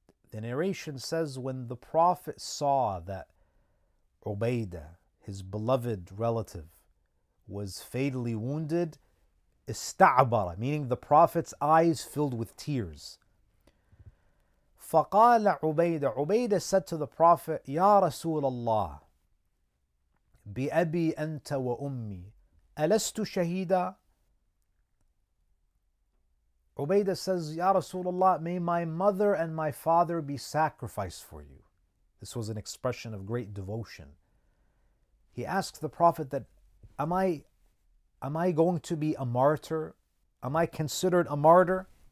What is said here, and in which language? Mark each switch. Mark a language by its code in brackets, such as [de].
[en] The narration says, when the Prophet saw that Ubaidah, his beloved relative, was fatally wounded, [ar] استَعْبَرَ, [en] meaning the Prophet's eyes filled with tears. [ar] فَقَالَ عُبَيْدَةَ. [en] Ubaidah said to the Prophet, [ar] يَا رَسُولَ اللَّهِ بِأَبِي أَنْتَ وَأُمِّي أَلَسْتُ شَهِيدًا. [en] Ubaidah says, [ar] Ya Rasulullah, [en] may my mother and my father be sacrificed for you. This was an expression of great devotion. He asked the Prophet that, am I going to be a martyr? Am I considered a martyr?